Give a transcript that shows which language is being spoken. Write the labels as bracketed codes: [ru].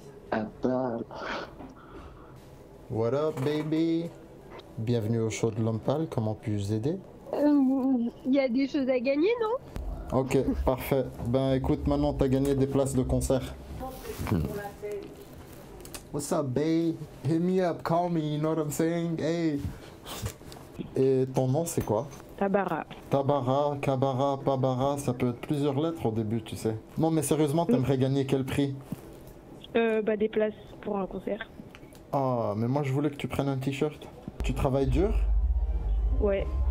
[fr] Ah bah... [en] What up, baby? [fr] Bienvenue au show de L'Homme Pâle, comment puis-je vous aider? Il y a des choses à gagner, non? Ok, parfait. Ben écoute, maintenant t'as gagné des places de concert. [en] What's up, babe? Hit me up, call me, you know what I'm saying? Hey! [fr] Et ton nom, c'est quoi? Tabara. Tabara, Kabara, Pabara, ça peut être plusieurs lettres au début, tu sais. Non, mais sérieusement, t'aimerais gagner quel prix ? Bah, des places pour un concert. Oh, mais moi, je voulais que tu prennes un t-shirt. Tu travailles dur ? Ouais.